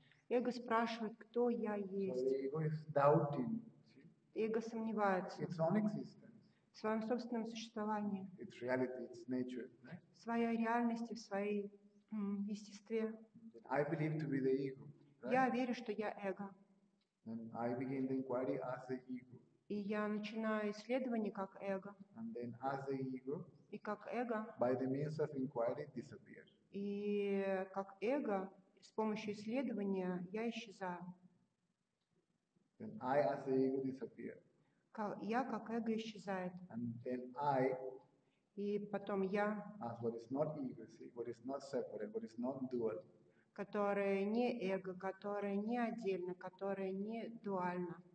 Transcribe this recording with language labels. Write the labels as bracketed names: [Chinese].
[Russian] Эго спрашивает, кто я есть. [English] So the ego is doubting. [Russian] Эго сомневается. [English] Its own existence. [Russian] В своем собственном существовании. [English] It's reality, it's nature, right? [Russian] В своей реальности, в своей естестве. [English] I believe to be the ego, right? [Russian] Я верю, что я эго. [English] Then I begin the inquiry as the ego. [Russian] И я начинаю исследование как эго. [English] And then as the ego, [Russian] и как эго. [English] By the means of inquiry, disappear. [Russian] И как эго, с помощью исследования я исчезаю. [English] Then I as the ego disappear. [Russian] Я как эго исчезает. [English] And then I, [Russian] и потом я, [English] as what is not ego, see, what is not separate, what is not dual, [Russian] которое не эго, которое не отдельно, которое не дуально,